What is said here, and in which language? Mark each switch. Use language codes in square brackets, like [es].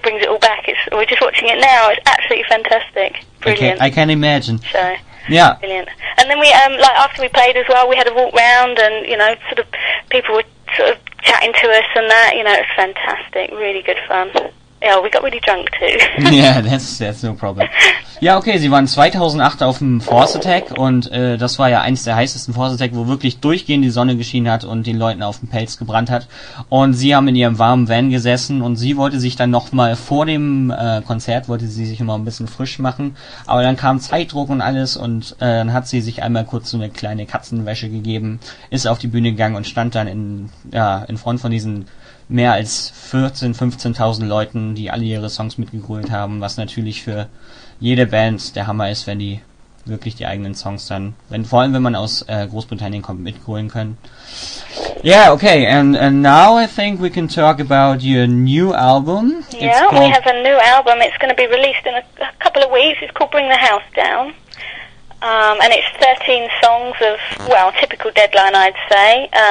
[en] brings it all back. We're just watching it now. It's absolutely fantastic. Brilliant. I can imagine. So. Yeah. Brilliant. And then we, after we played as well, we had a walk round and, you know, sort of people were sort of chatting to us and that, you know, it was fantastic. Really good fun. Yeah, we got really drunk too. Yeah, that's no problem. [de] Ja, okay, Sie waren 2008 auf dem Force Attack und das war ja eins der heißesten Force Attack, wo wirklich durchgehend die Sonne geschienen hat und den Leuten auf dem Pelz gebrannt hat. Und Sie haben in Ihrem warmen Van gesessen und sie wollte sich dann nochmal vor dem Konzert, wollte sie sich nochmal ein bisschen frisch machen. Aber dann kam Zeitdruck und alles und dann hat sie sich einmal kurz so eine kleine Katzenwäsche gegeben, ist auf die Bühne gegangen und stand dann in Front von diesen mehr als 15.000 Leuten, die alle ihre Songs mitgegrölt haben, was natürlich für jede Band der Hammer ist, wenn die wirklich die eigenen Songs dann, vor allem wenn man aus Großbritannien kommt, mitgrölen können. [en] Yeah, okay, and now I think we can talk about your new album. Yeah, we have a new album. It's going to be released in a couple of weeks. It's called Bring the House Down. And it's 13 songs of, well, typical Deadline, I'd say.